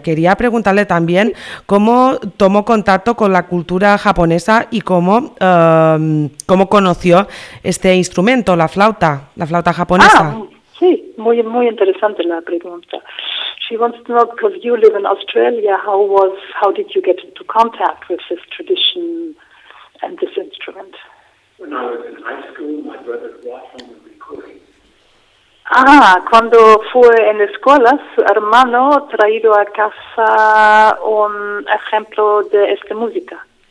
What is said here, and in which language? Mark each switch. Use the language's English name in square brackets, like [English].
[Spanish] Quería preguntarle también cómo tomó contacto con la cultura japonesa y cómo conoció este instrumento, la flauta japonesa. Ah, sí, muy muy interesante la pregunta. [English] She wants to know because you live in Australia, how did you get into contact with this tradition and this instrument? When I was in high school, my brother brought home the recording. [Spanish] Ah, cuando fue en escuela, su hermano traído a casa un ejemplo de esta música.